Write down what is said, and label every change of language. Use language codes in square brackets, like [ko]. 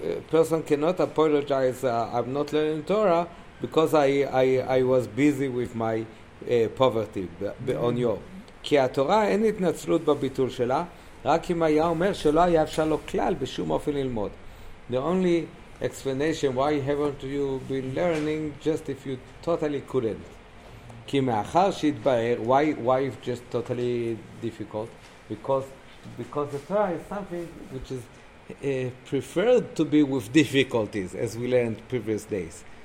[en] Person cannot apologize, I'm not learning Torah, because I was busy with my poverty on your. [he] כי התורה אין התנצלות בביטול שלה, רק אם היה אומר שלא היה אפשר לו כלל בשום אופן ללמוד. [en] The only explanation why haven't you been learning, just if you totally couldn't. [he] כי מאחר שהתבהר, [en] why if just totally difficult? Because the Torah is something which is preferred to be with difficulties, as we learned previous days.